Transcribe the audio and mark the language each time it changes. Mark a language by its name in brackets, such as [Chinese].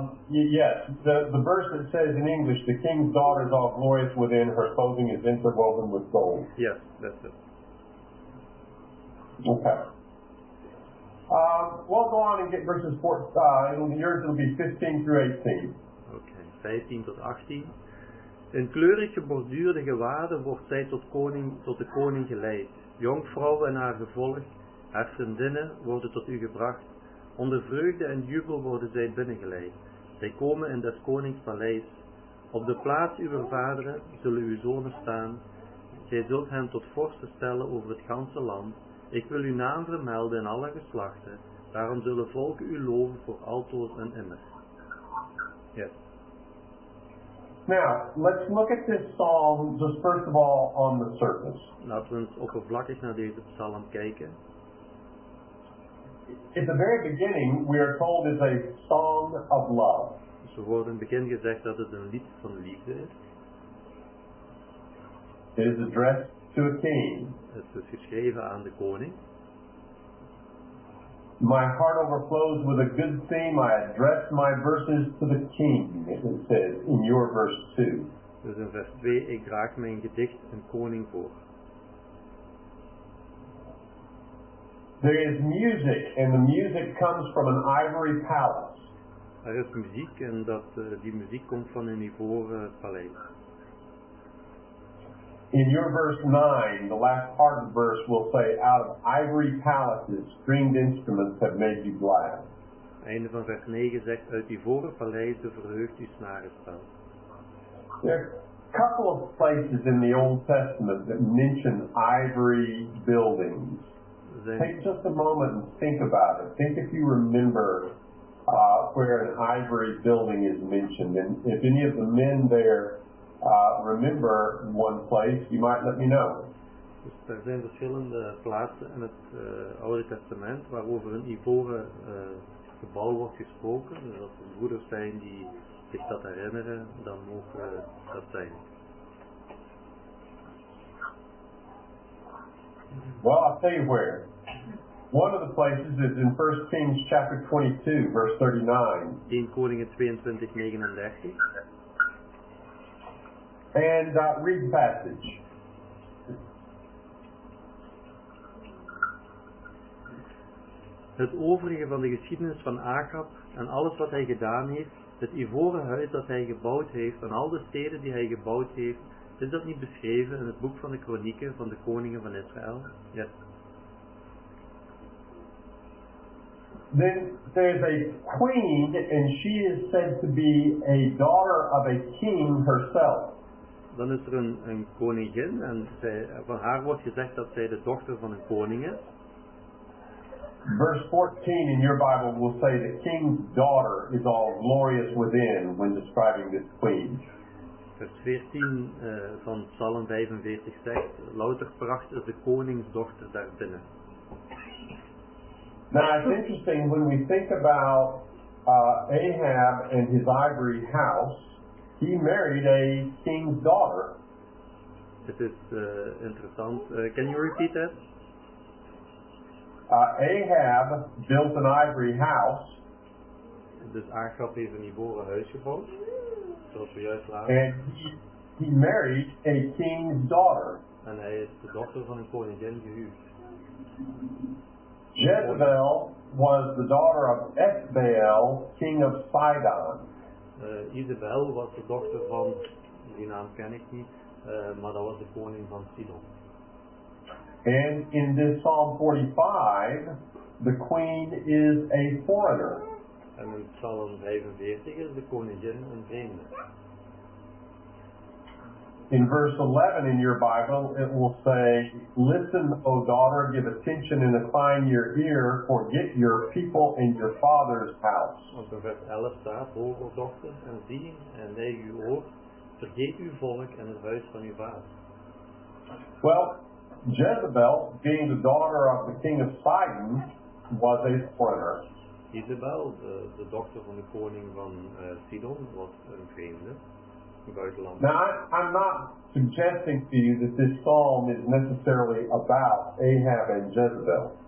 [English] Yes, the verse that says in English, the king's daughter is all glorious within, her clothing is interwoven with gold. Yes, that's it. Okay. We'll go on and get verses 4, yours will be 15 through 18. [Dutch] Okay, 15 tot 18. In kleurig geborduurde gewaden wordt zij tot de koning geleid. Jonkvrouwen en haar gevolg, haar vriendinnen worden tot u gebracht. Onder vreugde en jubel worden zij binnengeleid. Zij komen in des konings paleis. Op de plaats uw vaderen zullen uw zonen staan. Zij zult hen tot vorsten stellen over het ganse land. Ik wil uw naam vermelden in alle geslachten. Daarom zullen volken u loven voor altijd en immer. [English] Yes. Now, let's look at this psalm just first of all on the surface. [Dutch] Laten we eens oppervlakkig naar deze psalm kijken. [English] At the very beginning, we are told it's a song of love. [Dutch] Dus we worden in het begin gezegd dat het een lied van liefde is. [English] It is addressed to a king. [Dutch] Het is geschreven aan de koning. [English] My heart overflows with a good theme. I address my verses to the king, it says in your verse 2. [Dutch] Dus in vers 2, ik draag mijn gedicht een koning voor. [English] There is music, and the music comes from an ivory palace. [Dutch] Er is muziek, en dat die muziek komt van een ivoren paleis. [English] In your verse 9, the last part of the verse will say, out of ivory palaces, stringed instruments have made you glad. [Dutch] Einde van vers 9 zegt, uit ivoren paleizen verheugt uw snarenspel. [English] There are a couple of places in the Old Testament that mention ivory buildings. Take just a moment and think about it. Think if you remember where an ivory building is mentioned. And if any of the men there remember one place, you might let me know. [Dutch] Dus er zijn verschillende plaatsen in het Oude Testament waarover een ivoren gebouw wordt gesproken. Dus als er broeders zijn die zich dat herinneren, dan mogen dat zijn. [English] Well, I'll tell you where. One of the places is in 1 Kings chapter 22, verse 39. [Dutch] In Koningen 22, 39. [English] And read the passage. [Dutch] Het overige van de geschiedenis van Achab en alles wat hij gedaan heeft, het ivoren huis dat hij gebouwd heeft en al de steden die hij gebouwd heeft, is dat niet beschreven in het boek van de kronieken van de koningen van Israël? [English] Yes. Then there's a queen and she is said to be a daughter of a king herself. [Dutch] dan is er een koningin en zij, van haar wordt gezegd dat zij de dochter van een koning is. [English] Verse 14 in your Bible will say the king's daughter is all glorious within when describing this queen. [Dutch] Vers 14 van Psalm 45 zegt, louter pracht is de koningsdochter daarbinnen. [English] Now it's interesting when we think about Ahab and his ivory house, he married a king's daughter. [Dutch] Het is interessant. [English] Can you repeat that? Ahab built an ivory house. [Dutch] Dus Ahab heeft een ivoren huis gebouwd. [English] And he married a king's daughter. [Dutch] En hij is de dochter van een koningin gehuwd. [English] Jezebel was the daughter of Ethbaal, king of Sidon. [Dutch] Jezebel was de dochter van, die naam ken ik niet, maar dat was de koning van Sidon. [English] And in this Psalm 45, the queen is a foreigner. [Dutch] En in Psalm 45 is de koningin een vreemde. [English] In verse 11 in your Bible, it will say, listen, O daughter, give attention and incline your ear, forget your people and your father's house. [Dutch] Want in vers 11 staat, hoor, O dochter, en zie, en neig uw oor, vergeet uw volk en het huis van uw vader. [English] Well, Jezebel, being the daughter of the king of Sidon, was a foreigner. [Dutch] Jezebel, de dochter van de koning van Sidon, was een vreemde. [English] Now, I'm not suggesting to you that this psalm is necessarily about Ahab and Jezebel.